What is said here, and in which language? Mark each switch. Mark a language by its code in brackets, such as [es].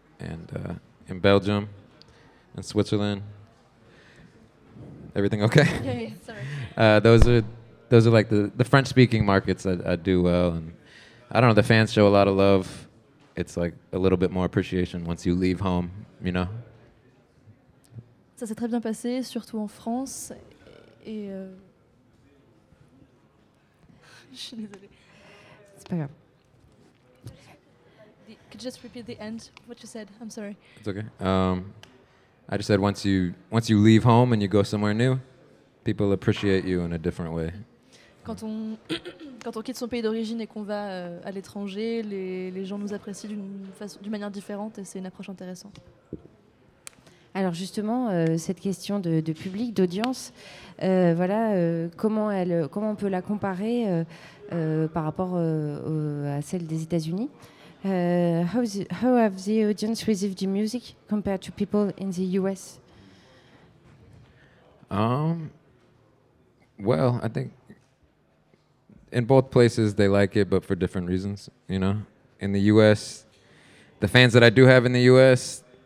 [en] And in Belgium, in Switzerland. Everything okay? Yeah, sorry. Those are like the French-speaking markets that I do well. And I don't know, the fans show a lot of love. It's like a little bit more appreciation once you leave home, you know? [fr] Ça s'est très bien passé, surtout en France. Et je suis désolée. C'est pas grave. [en] Could you just repeat the end, what you said? I'm sorry. It's okay. I just said once you leave home and you go somewhere new, people appreciate you in a different way. [fr] Quand on quitte son pays d'origine et qu'on va à l'étranger, les gens nous apprécient d'une manière différente et c'est une approche intéressante. Alors justement, cette question de public, d'audience, voilà, comment on peut la comparer par rapport à celle des États-Unis? [en] How have the audience received the music compared to people in the U.S.? Well, I think in both places they like it, but for different reasons, you know? In the U.S., the fans that I do have in the U.S.